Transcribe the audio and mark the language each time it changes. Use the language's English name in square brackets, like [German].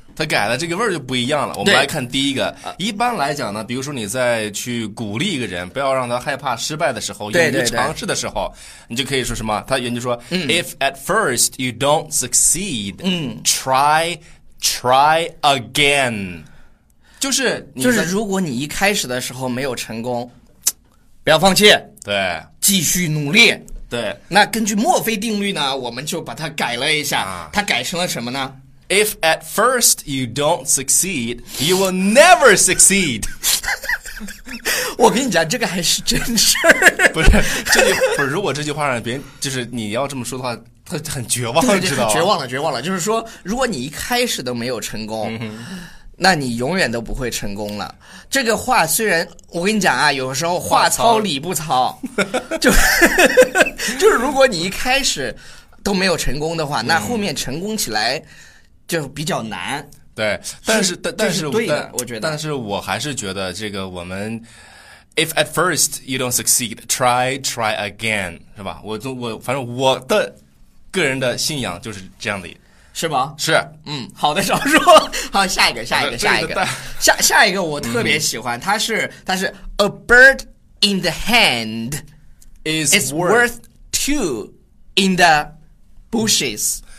[Chinese] 他改了，这个味儿就不一样了。我们来看第一个。一般来讲呢，比如说你在去鼓励一个人不要让他害怕失败的时候，勇于尝试的时候，你就可以说什么，他人就说 [English] If at first you don't succeed, try again。 [Chinese] 就是你，就是如果你一开始的时候没有成功，不要放弃，对，继续努力。对，那根据墨菲定律呢，我们就把它改了一下，它改成了什么呢？ [English] If at first you don't succeed, you will never succeed. [Chinese] 我跟你讲，这个还是真事儿。不是，如果这句话让别人，就是你要这么说的话，他很绝望，知道吗？绝望了，绝望了。就是说，如果你一开始都没有成功，那你永远都不会成功了。这个话虽然，我跟你讲啊，有时候话糙理不糙，就是如果你一开始都没有成功的话，那后面成功起来就比较难。对，但是我还是觉得这个我们 [English] if at first you don't succeed, try again, [Chinese] 是吧？我反正我的个人的信仰就是这样的。是吗？是。嗯，好的，少说。好，下一个我特别喜欢，它是 [English] a bird in the hand is worth two in the bushes。